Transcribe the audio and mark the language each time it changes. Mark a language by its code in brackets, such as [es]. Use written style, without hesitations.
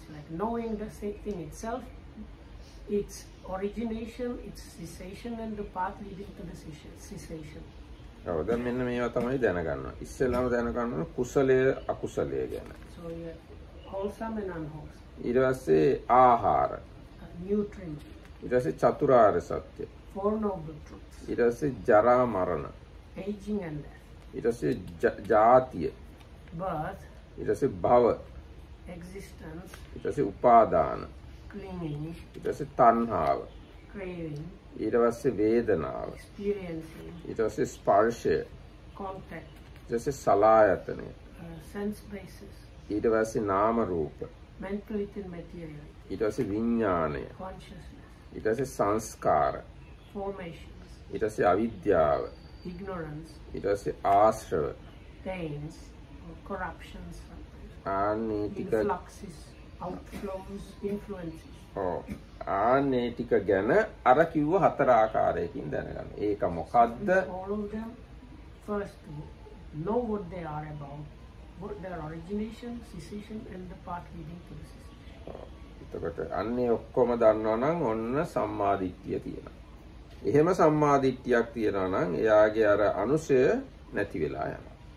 [en] Knowing the same thing itself, its origination, its cessation, and the path leading to the cessation. [si] ඔව් දැන් මෙන්න මේවා තමයි දැනගන්න ඕනේ. ඉස්සෙල්ලාම දැනගන්න ඕනේ කුසලය අකුසලය ගැන. [en] So yeah, wholesome and unwholesome. [si] ඊට පස්සේ ආහාර. [en] Nutrients. [si] ඊට පස්සේ චතුරාර්ය සත්‍ය. [en] Four noble truths. [si] ඊට පස්සේ ජරා මරණ. [en] Aging and death. [si] ඊට පස්සේ ජාතිය [en] birth [si] ඊට පස්සේ භව [en] existence [si] ඊට පස්සේ උපාදාන [en] clinging [si] ඊට පස්සේ තණ්හාව [en] craving [si] ඊට පස්සේ වේදනාව [en] experiencing [si] ඊට පස්සේ ස්පර්ශය [en] contact [si] ඊට පස්සේ සලආයතනය [en] sense bases [si] ඊට පස්සේ නාම රූප [en] mental within material [si] ඊට පස්සේ විඥාණය [en] consciousness [si] ඊට පස්සේ සංස්කාර [en] formations [si] ඊට පස්සේ අවිද්‍යාව [en] ignorance [si] ඊට පස්සේ ආශ්‍රව [en] taints corruptions [si] අනීතික [en] fluxes outflows influences [si] ඔව් අනීතික ගැන අර කිව්ව හතර ආකාරයකින් දැනගන්න. ඒක මොකද්ද? [en] All of them first know what they are about what their origination cessation and the path leading to cessation. [si] එතකොට අන්නේ ඔක්කොම දන්නවා නම් ඔන්න සම්මාදිට්ඨිය තියෙනවා. එහෙම සම්මාදිට්ඨියක් තියනා නම් එයාගේ අර අනුසය නැති වෙලා යනවා.